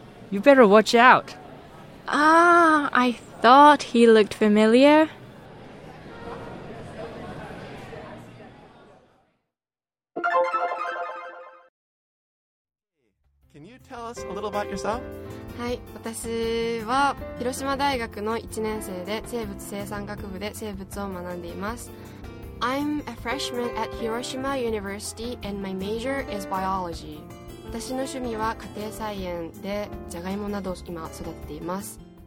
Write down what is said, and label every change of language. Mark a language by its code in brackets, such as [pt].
[en] You better watch out. Ah, I thought he looked familiar. Can you tell us a little about yourself? [ja] はい、私は広島大学の1年生で生物生産学部で生物を学んでいます。 [en] I'm a freshman at Hiroshima University and my major is biology. [ja] 私の趣味は家庭菜園でジャガイモなどを今育てています。